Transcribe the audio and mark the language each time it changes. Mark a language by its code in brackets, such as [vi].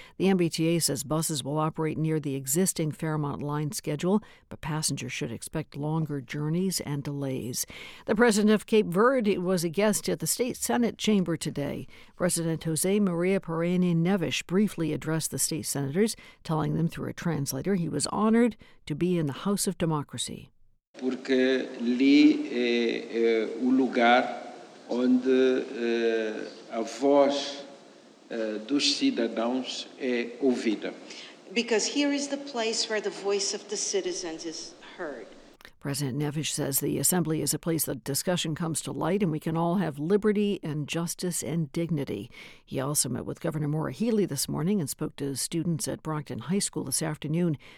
[en] The MBTA says buses will operate near the existing Fairmont line schedule, but passengers should expect longer journeys and delays. The president of Cape Verde was a guest at the state Senate chamber today. President Jose Maria Pereira Neves briefly addressed the state senators, telling them through a translator he was honored to be in the House of Democracy. [pt] Porque ali é o lugar onde a voz dos cidadãos é ouvida. [en] Because here is the place where the voice of the citizens is heard. President Neves says the assembly is a place that discussion comes to light and we can all have liberty and justice and dignity. He also met with Governor Maura Healey this morning and spoke to students at Brockton High School this afternoon.